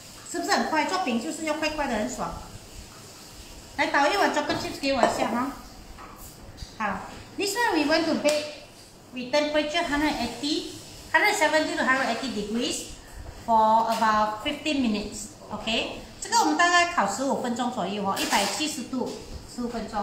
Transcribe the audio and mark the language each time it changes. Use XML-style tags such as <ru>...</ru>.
<zh>是不是很快做饼就是要快快的很爽？来倒一碗 chocolate chips 给我一下哈。</zh> <en>好 ，this one we want to bake with temperature 170 to 180 degrees for about 15 minutes， OK？</en> <zh>这个我们大概烤15分钟左右哦，170度，15分钟。</zh>